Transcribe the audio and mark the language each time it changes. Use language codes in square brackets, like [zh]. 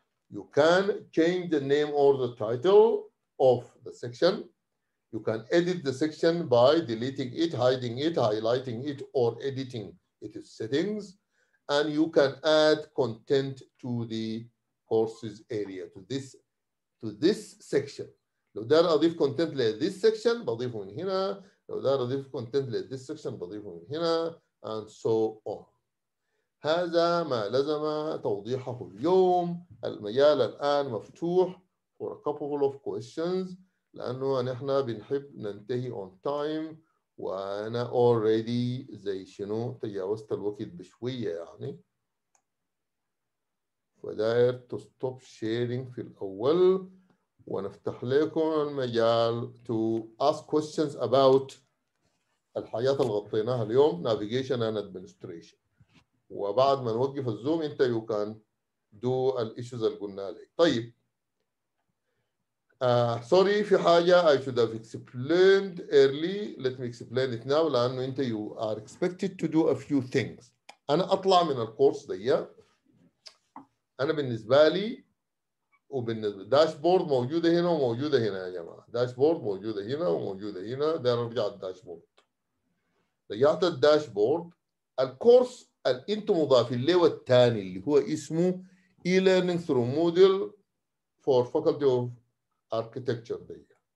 [en] You can change the name or the title of the section. You can edit the section by deleting it, hiding it, highlighting it, or editing its settings. And you can add content to the courses area, to this section. [ar] لو دار أضيف content لهذه section بضيفه من هنا. لو دار أضيف content لهذه section بضيفه من هنا. [en] And so on. [ar] هذا ما لزم توضيحه اليوم. المجال الآن مفتوح [en] for a couple of questions. [ar] لأنه نحن بنحب ننتهي [en] on time [ar] وأنا [en] already [ar] زي شنو تجاوزت الوقت بشوية يعني وداير [en] to stop sharing [ar] في الأول ونفتح لكم المجال [en] to ask questions about [ar] الحياة اللي غطيناها اليوم [en] navigation and administration [ar] وبعد ما نوقف الزوم انت [en] you can do the issues [ar] اللي قلنا لك. طيب [en] sorry [ar] في حاجة [en] I should have explained early. Let me explain it now. [ar] لأنه أنت [en] you are expected to do a few things. [ar] أنا أطلع من الكورس ده. أنا بالنسبة لي وبالنسبة داشبورد موجودة هنا وموجودة هنا يا جماعة. داشبورد موجودة هنا وموجودة هنا. ده أنا رجعت داشبورد. رجعت الداشبورد. الكورس اللي أنت مضاف إليه والتاني اللي هو اسمه [en] e-learning through Moodle for faculty of architecture